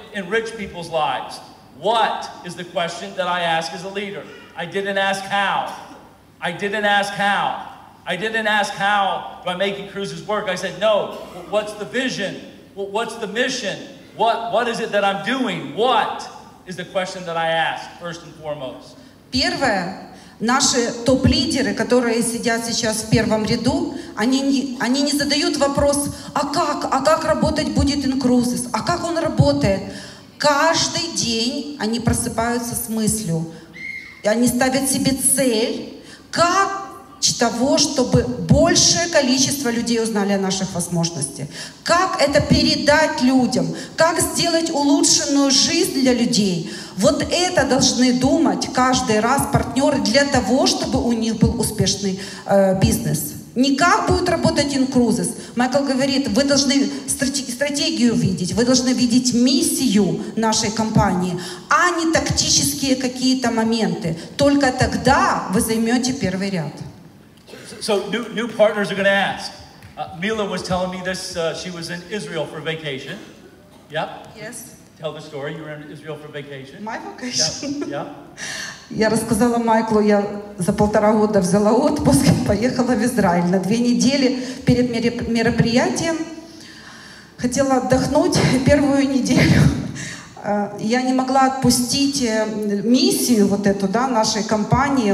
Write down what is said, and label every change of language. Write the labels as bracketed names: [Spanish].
[English] Enrich people's lives. What is the question that I ask as a leader? I didn't ask how. I didn't ask how. I didn't ask how do I make Incruzis work. I said, no, what's the vision? What's the mission? What is it that I'm doing? What is the question that I ask first and foremost? [Russian] Первое, наши топ-лидеры, которые сидят сейчас в первом ряду, они не задают вопрос, а как работать будет Incruzis? А как он работает? Каждый день они просыпаются с мыслью, и они ставят себе цель, как того, чтобы большее количество людей узнали о наших возможностях. Как это передать людям, как сделать улучшенную жизнь для людей. Вот это должны думать каждый раз партнеры для того, чтобы у них был успешный бизнес. Не как будет работать Incruzis. Майкл говорит, вы должны стратегию видеть, вы должны видеть миссию нашей компании, а не тактические какие-то моменты. Только тогда вы займете первый ряд. [English] So new partners are going to ask. Mila was telling me this, she was in Israel for vacation. Yep. Yes. Tell the story, you were in Israel for vacation. My vacation. Yep. [Russian] Я рассказала Майклу, я за 1.5 года взяла отпуск и поехала в Израиль на 2 недели перед мероприятием. Хотела отдохнуть первую неделю. Я не могла отпустить миссию вот эту, да, нашей компании.